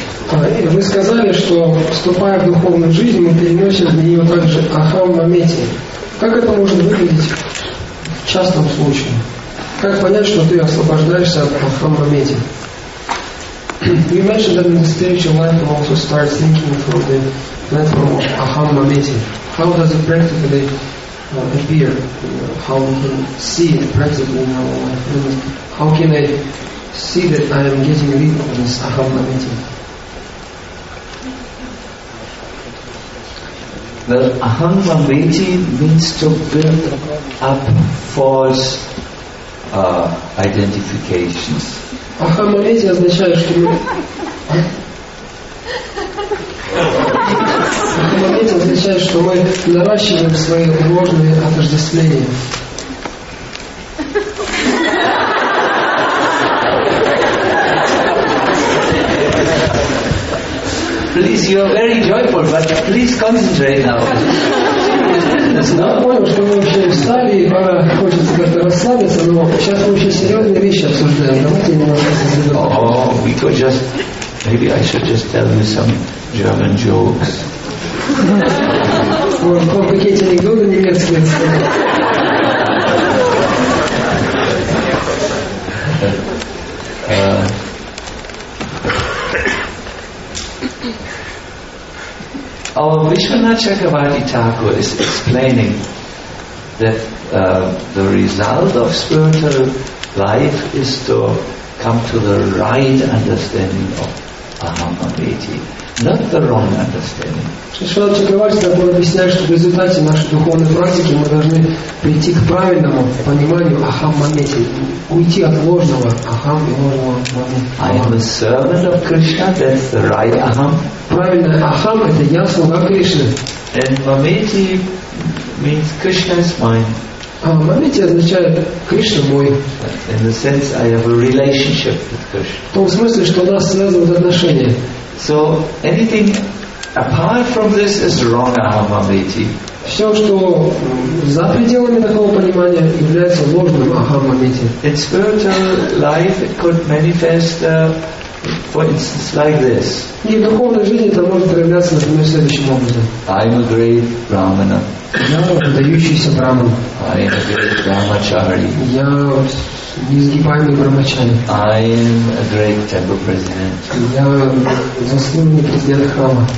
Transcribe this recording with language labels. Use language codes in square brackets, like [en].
[ru] Вы сказали, что вступая в духовную жизнь, мы перенесем для нее также ахам-мамети. Как это может выглядеть в частном случае? Как понять, что ты освобождаешься от ахам-мамети? [en] You mentioned that in the spiritual life you also start thinking from the platform of ахам-мамети. How does it practically appear? How we can see it practically in our life? And how can I see that I am getting rid of this ахам-мамети? Well, aham mameti means to build up false identifications. [ru] Aham mameti означает, что мы... Aham mameti означает, что мы наращиваем свои ложные отождествления. [en] Please, you are very joyful, but please concentrate now. [ru] Понял, что мы вообще встали, и пора хочется как-то расслабиться, но сейчас мы очень серьезные вещи обсуждаем. Давайте немножко сосредоточимся. [en] Oh, we could just... Maybe I should just tell you some German jokes. [ru] Вот, по пакете анекдоты немецкие. [en] Our Vishwanath Chakravarti Thakur is explaining that the result of spiritual life is to come to the right understanding of Ahamamiti, not the wrong understanding. [ru] Vishwanath Chakravarti Thakur объясняет, что в результате нашей духовной практики мы должны прийти к правильному пониманию Ахамамиti, уйти от ложного Ахам и ложного Ахамамиti. [en] I am a servant of Krishna, that's the right Aham. [ru] Правильно, ахам это я слуга Кришны. [en] And mameti means Krishna is mine. [ru] А mameti означает Кришна мой. [en] In the sense I have a relationship with Krishna. [ru] В том смысле, что у нас связывают отношения. [en] So anything apart from this is wrong aham mameti. [ru] Все, что за пределами такого понимания, является ложным ахам мамети. [en] In spiritual life it could manifest for instance, like this. [ru] И в духовной жизни это может проявляться, например, следующим образом. [en] I'm a great brahmana. [ru] Я выдающийся браман. [en] I am a great brahmachari. [ru] Я несгибаемый брахмачари. [en] I am a great temple president. [ru] Я заслуженный президент храма.